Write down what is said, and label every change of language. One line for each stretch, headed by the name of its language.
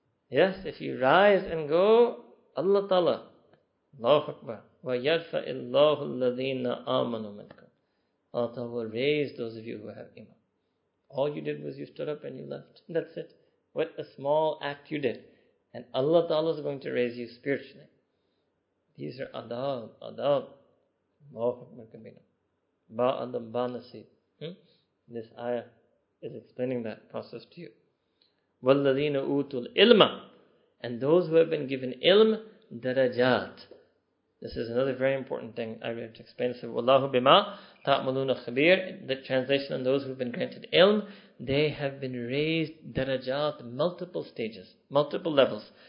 English: Yes, if you rise and go, Allah Ta'ala, Allahu Akbar,
Arabic: وَيَرْفَعِ اللَّهُ الَّذِينَ آمَنُوا مِنْكُمْ.
English: Allah Ta'ala will raise those of you who have iman. All you did was you stood up and you left. That's it. What a small act you did. And Allah Ta'ala is going to raise you spiritually. These are adab, adab. Allahu Akbar kabira.
Persian: با ادب با نصیب
English: This ayah is explaining that process to you.
Arabic: وَالَّذِينَ أُوتُوا الْإِلْمَ,
English: and those who have been given ilm, darajat. This is another very important thing I read to explain. So,
Arabic: وَاللَّهُ بِمَا تَعْمَلُونَ خَبِيرٌ,
English: the translation on those who have been granted ilm, they have been raised darajat, multiple stages, multiple levels.